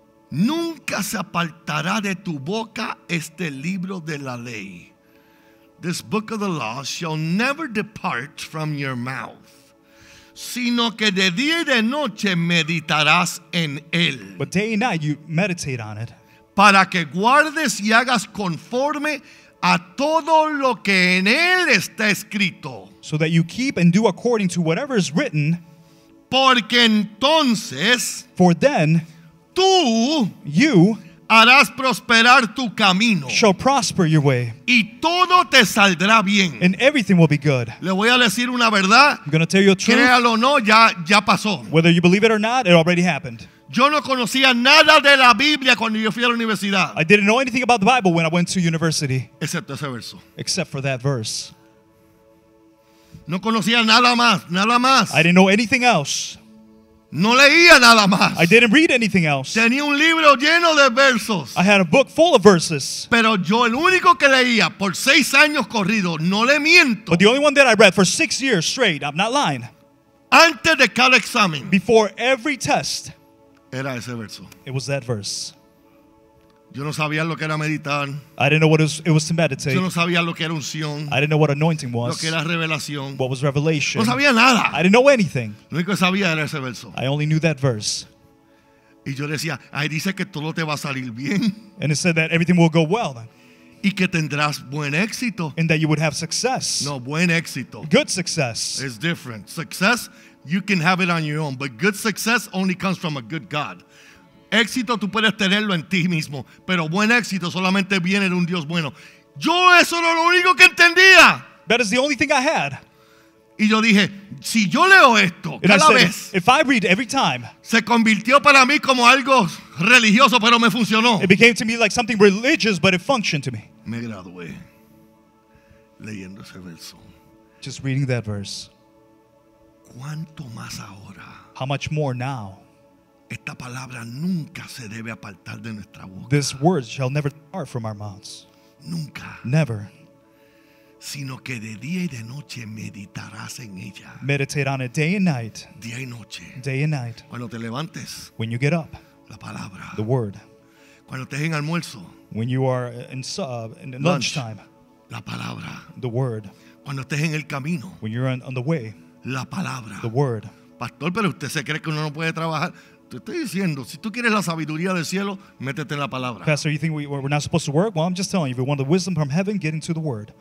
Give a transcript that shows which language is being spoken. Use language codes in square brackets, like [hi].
[es] Nunca se apartará de tu boca este libro de la ley. [en] This book of the law shall never depart from your mouth. [es] Sino que de día y de noche meditarás en él. [en] But day and night you meditate on it. [es] Para que guardes y hagas conforme a todo lo que en él está escrito. [en] So that you keep and do according to whatever is written. [es] Porque entonces, [en] for then, [es] tú, [en] you, [es] harás prosperar tu camino. [en] Shall prosper your way. [es] Y todo te saldrá bien. [en] And everything will be good. [es] Le voy a decir una verdad. [en] I'm going to tell you a truth. [es] Créalo o no, ya pasó. [en] Whether you believe it or not, it already happened. [es] Yo no conocía nada de la Biblia cuando yo fui a la universidad. [en] I didn't know anything about the Bible when I went to university. [es] Excepto ese verso. [en] Except for that verse. [es] No conocía nada más, nada más. [en] I didn't know anything else. [es] No leía nada más. [en] I didn't read anything else. [es] Tenía un libro lleno de versos. [en] I had a book full of verses. [es] Pero yo el único que leía por 6 años corrido, no le miento. [en] But the only one that I read for 6 years straight, I'm not lying. [es] Antes de cada examen. [en] Before every test. [es] Era ese verso. [en] It was that verse. [es] Yo no sabía lo que era meditar. [en] I didn't know what it was to meditate. [es] Yo no sabía lo que era unción. [en] I didn't know what anointing was. [es] Lo que era revelación. [en] What was revelation. [es] No sabía nada. [en] I didn't know anything. [es] Lo único que sabía era ese verso. [en] I only knew that verse. [es] Y yo decía, ahí dice que todo te va a salir bien. [en] And it said that everything will go well. [es] Y que tendrás buen éxito. [en] And that you would have success. [es] No, buen éxito. [en] Good success. It's different. Success, you can have it on your own. But good success only comes from a good God. [es] Éxito tú puedes tenerlo en ti mismo, pero buen éxito solamente viene de un Dios bueno. Yo eso era lo único que entendía. [en] That is the only thing I had. [es] Y yo dije, si yo leo esto [en] and [es] cada [en] I said, [es] vez, [en] if I read every time, [es] se convirtió para mí como algo religioso, pero me funcionó. [en] It became to me like something religious, but it functioned to me. [es] Me gradué leyendo ese verso. [en] Just reading that verse. [es] ¿Cuánto más ahora? [en] How much more now? [es] Esta palabra nunca se debe apartar de nuestra boca. [en] This word shall never depart from our mouths. [es] Nunca. [en] Never. [es] Sino que de día y de noche meditarás en ella. [en] Meditate on it day and night. [es] Día y noche. [en] Day and night. [es] Cuando te levantes. [en] When you get up. [es] La palabra. [en] The word. [es] Cuando estés en almuerzo. [en] When you are in lunch. Lunchtime. [es] La palabra. [en] The word. [es] Cuando estés en el camino. [en] When you're on the way. [es] La palabra. [en] The word. [es] Pastor, pero usted se cree que uno no puede trabajar. Te estoy diciendo, si tú quieres la sabiduría del cielo, métete en la palabra. [en] Pastor, you think we're not supposed to work? Well, I'm just telling you, if you want the wisdom from heaven, get into the word.